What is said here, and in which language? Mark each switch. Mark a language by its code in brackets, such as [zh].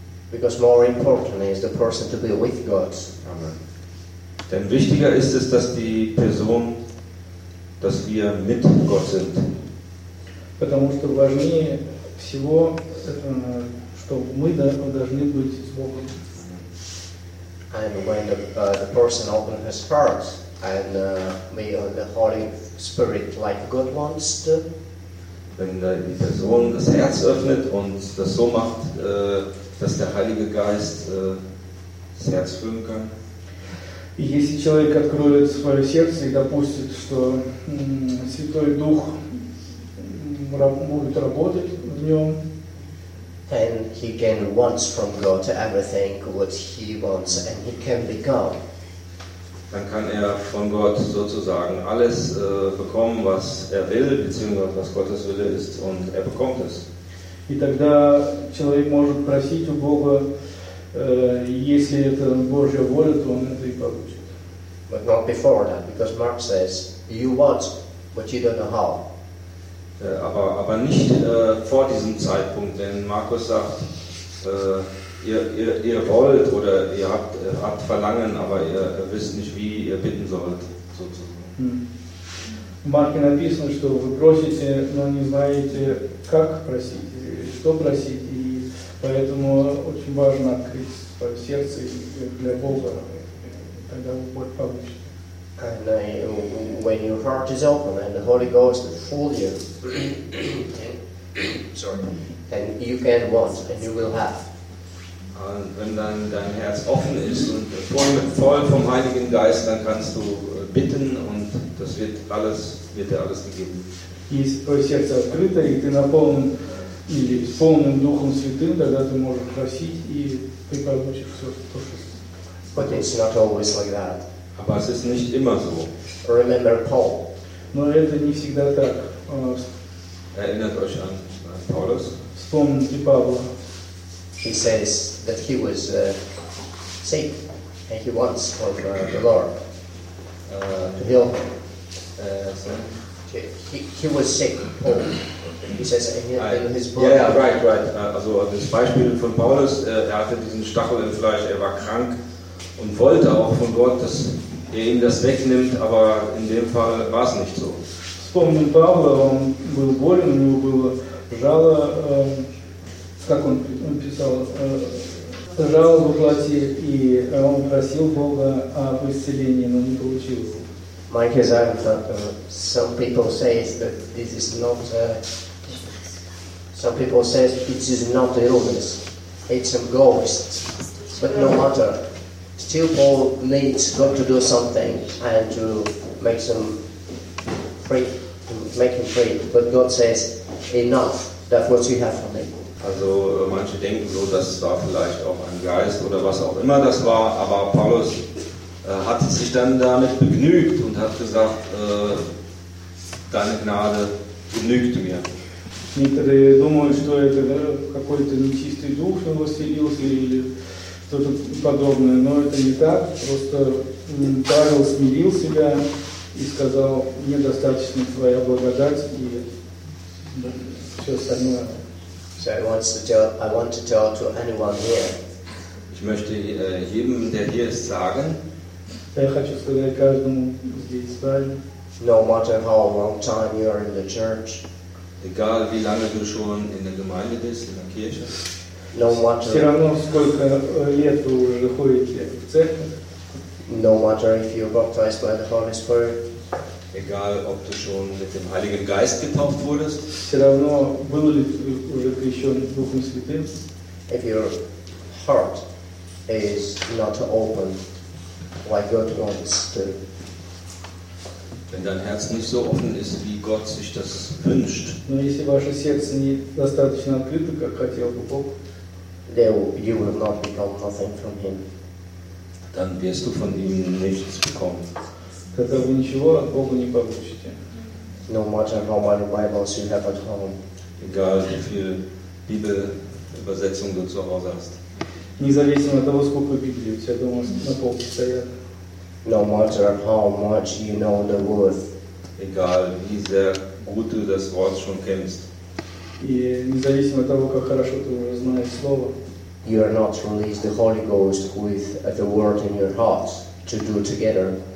[en] Because more important is the person to be with God. Amen. [de] Denn wichtiger ist es, dass die Person, dass wir mit Gott sind. [ru] Потому что важнее всего, что мы должны быть с Богом. [en] And when the person opens his heart and may the Holy Spirit, like God wants to. [de] Wenn die Person das Herz öffnet und das so macht, dass der Heilige Geist das Herz füllen kann. [ru] И если человек откроет свое сердце и допустит, что Святой Дух будет работать в нем, [en] then he can once from God everything what he wants and he can be God. [de] Dann kann er von Gott sozusagen alles bekommen, was er will, beziehungsweise was Gottes Wille ist, und er bekommt es. [ru] И тогда человек может просить у Бога, если это Божья воля, то он это и получит. [en] But not before that, because Mark says, you want, but you don't know how. [de] Aber nicht vor diesem Zeitpunkt, denn Markus sagt, ihr wollt oder ihr habt Verlangen, aber ihr wisst nicht, wie ihr bitten sollt, sozusagen. [ru] В Марке написано, что вы просите, но не знаете, как просить, что просить, и поэтому очень важно открыть свое сердце для Бога, тогда будет получено. [en] And when your heart is open and the Holy Ghost is full you, then you can want and you will have. [de] Und wenn dann dein Herz offen ist und voll vom Heiligen Geist, dann kannst du bitten und das wird dir alles gegeben. [ru] Если твое сердце открыто и ты наполнен или полным Духом Святым, тогда ты можешь просить и ты получишь все, что хочешь. [en] But it's not always like that. [de] Aber es ist nicht immer so. [en] Remember Paul. [ru] Но это не всегда так. [de] Erinnert euch an Paulus. [ru] Вспомните Павла. [en] He says that he was sick and he wants of the Lord to heal him. He was sick, Paul. He says in his book. Yeah, right. [de] Also das Beispiel von Paulus, er hatte diesen Stachel im Fleisch, er war krank und wollte auch von Gott, dass er ihm das wegnimmt, aber in dem Fall war es nicht so. [ru] Вспомнил Павла, он был болен, у него было жало, как он писал, жало в плоти, и он просил Бога об исцелении, но не получил его. [en] Mike has added that some people say that this is not some people say it is not the illness, it's a ghost. But no matter. Still Paul needs God to do something and to make him free. But God says, enough, that's what you have for me. [de] Also manche denken so, das war vielleicht auch ein Geist oder was auch immer das war, aber Paulus hat sich dann damit begnügt und hat gesagt, deine Gnade genügt mir. [ru] Некоторые думают, что это какой-то нечистый дух, что восселился или что-то подобное, но это не так. Просто Павел смирил себя и сказал, мне достаточно твоя благодать и все остальное. [en] So I want to tell to anyone here. [de] Ich möchte jedem, der hier ist, sagen. [ru] Я хочу сказать каждому здесь, правильно? [en] No matter how long time you are in the church. [de] Egal wie lange du schon in der Gemeinde bist, in der Kirche. [en] No matter. [ru] Все равно сколько лет вы уже ходите в церковь. [en] No matter if you're baptized by the Holy Spirit. [de] Egal ob du schon mit dem Heiligen Geist getauft wurdest. [ru] Все равно был ли ты уже крещен Духом Святым. [en] If your heart is not open. Why God wants to. [de] Wenn dein Herz nicht so offen ist, wie Gott sich das wünscht, [ru] но если ваше сердце не достаточно открыто, как хотел бы Бог, [en] you will not become nothing from him. [de] Dann wirst du von ihm nichts bekommen. [ru] Тогда вы ничего от Бога не получите. [en] No matter how many Bibles you have at home. [de] Egal wie viel Bibelübersetzung du zu Hause hast. [ru] Независимо от того, сколько Библии у тебя дома на полке стоят. [en] No matter how much you know the word. [de] Egal, wie sehr gut du das Wort schon kennst. [ru] И независимо от того, как хорошо ты уже знаешь слово. [en] You are not released the Holy Ghost with the word in your heart to do together.